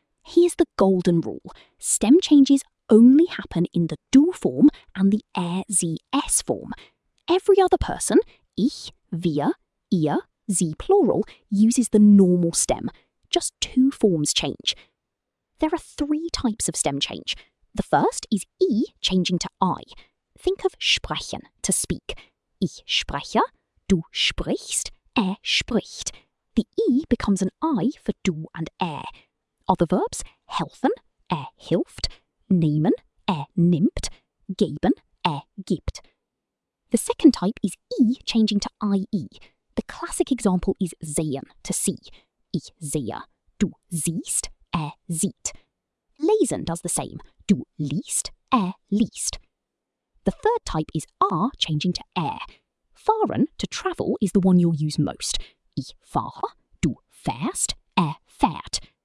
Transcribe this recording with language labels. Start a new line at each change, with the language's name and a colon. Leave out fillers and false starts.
English: Here's the golden rule. Stem changes only happen in the du form and the er, sie, es form. Every other person, ich, wir, ihr, sie plural, uses the normal stem. Just two forms change. There are three types of stem change. The first is I changing to I. Think of sprechen, to speak.
German: Ich spreche, du sprichst, er spricht.
English: The I becomes an I for du and er. Other verbs, helfen, er hilft, nehmen, er nimmt, geben, er gibt. The second type is I changing to IE. The classic example is sehen, to see.
German: Ich sehe, du siehst, er sieht.
English: Lesen does the same.
German: Du liest, er liest.
English: The third type is R changing to er. Fahren, to travel, is the one you'll use most.
German: Ich fahre, du fährst, er fährt.